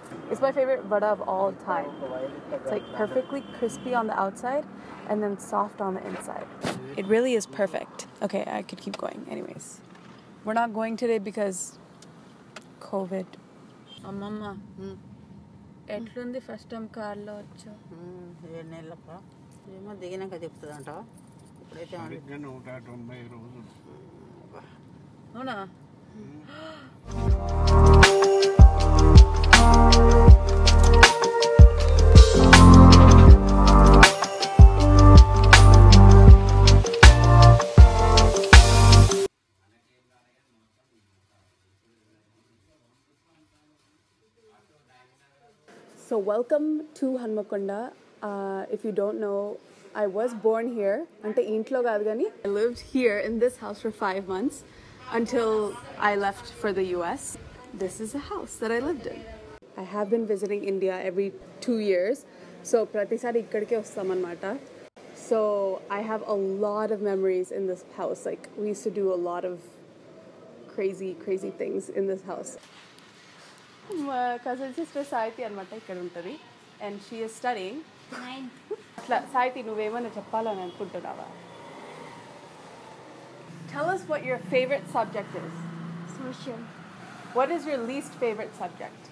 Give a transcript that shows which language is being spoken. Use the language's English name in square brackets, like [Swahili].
[English] It's my favorite vada of all time. It's like perfectly crispy on the outside and then soft on the inside. It really is perfect. Okay, I could keep going. Anyways, we're not going today because COVID. [Telugu] Amma. ఎట్లుంది first time కార్లో వచ్చు ఏడు నెలలప్పా ఏమో దిగినాక చెప్తుంది అంటావా ఇప్పుడైతే నూట తొంభై రోజులు అవునా [English] So welcome to Hanumakonda. If you don't know, I was born here. [Telugu] Ante intlo kadu gani. [English] I lived here in this house for 5 months until I left for the US. This is the house that I lived in. I have been visiting India every 2 years. So [Telugu] pratisari ikkadike vastam anamata. [English] So I have a lot of memories in this house. Like, we used to do a lot of crazy things in this house. [Telugu] మా cousin sister సాయితి అనమాట ఇక్కడ ఉంటుంది [English] and she is studying [Telugu] అట్లా సాయితి నువ్వేమైనా చెప్పాలని అనుకుంటున్నావా [English] tell us what your favorite subject is social what is your least favorite subject